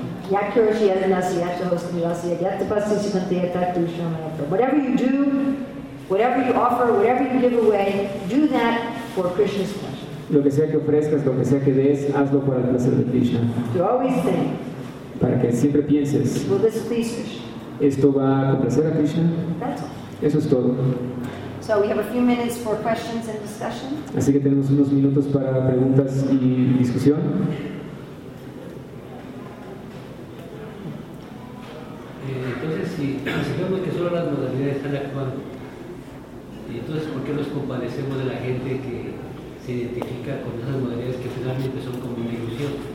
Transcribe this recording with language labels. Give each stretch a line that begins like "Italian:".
English: Whatever you do, whatever you offer, whatever you give away, do that for Krishna's pleasure.
Spanish: Lo que sea que ofrezcas, lo que sea que des, hazlo para el placer de Krishna.
English: To always think,
Spanish: para que siempre pienses,
English: will this please Krishna?
Spanish: ¿Esto va a complacer a Krishna? Eso es todo.
English: So we have a few minutes for questions and discussion.
Spanish: Así que tenemos unos minutos para preguntas y discusión. Entonces, si vemos que solo las modalidades están actuando, entonces, ¿por qué nos compadecemos de la gente que identifica con esas modalidades que finalmente son como una ilusión?